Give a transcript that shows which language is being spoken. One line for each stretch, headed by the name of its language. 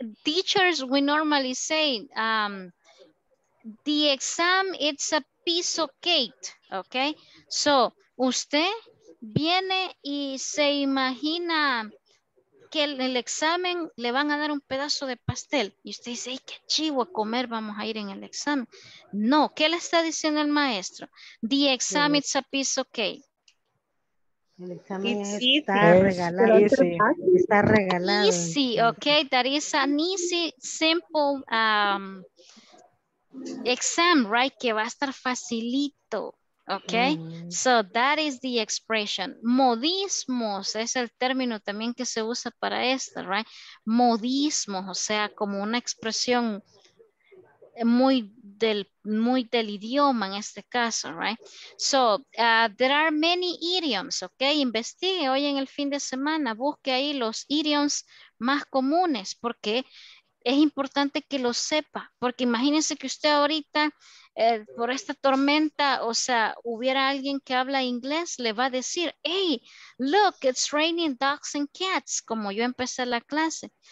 English: Teachers, we normally say, the exam, it's a piece of cake, okay? So, usted
Spanish: viene y se imagina que en el examen le van a dar un pedazo de pastel. Y usted dice, ay, qué chivo, a comer vamos a ir en el examen. No, ¿qué le está diciendo el maestro?
English: The exam is a piece of cake.
Spanish: El examen está regalado.
English: Easy, okay, that is an easy, simple exam, right?
Spanish: Que va a estar facilito, okay? Mm-hmm.
English: So that is the expression.
Spanish: Modismos es el término también que se usa para esto, right? Modismos, o sea, como una expresión muy del idioma en este caso, right?
English: So, there are many idioms, okay?
Spanish: Investigue hoy en el fin de semana, busque ahí los idioms más comunes, porque es importante que lo sepa, porque imagínense que usted ahorita, por esta tormenta, o sea, hubiera alguien que habla inglés, le va a decir,
English: hey, look, it's raining dogs and cats,
Spanish: como yo empecé la clase.